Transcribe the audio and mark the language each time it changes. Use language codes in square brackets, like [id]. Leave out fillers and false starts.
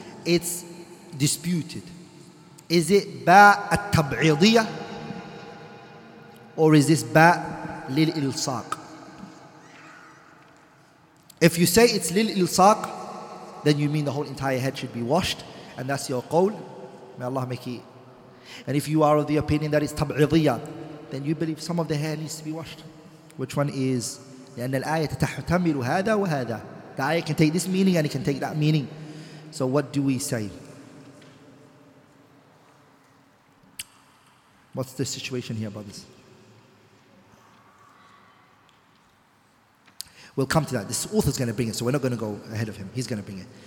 [en] It's disputed. Is it بَا التَّبْعِضِيَا or is this بَا لِلْإِلْصَاقِ? If you say it's lil ilsaq, then you mean the whole entire head should be washed, and that's your qawl. May Allah make it. And if you are of the opinion that it's tab'idiyya, then you believe some of the hair needs to be washed. Which one is? [ar] لأن الآية تحتمل هذا وهذا. [en] The ayah can take this meaning and it can take that meaning. So what do we say? What's the situation here, brothers? We'll come to that. This author's going to bring it, so we're not going to go ahead of him. He's going to bring it.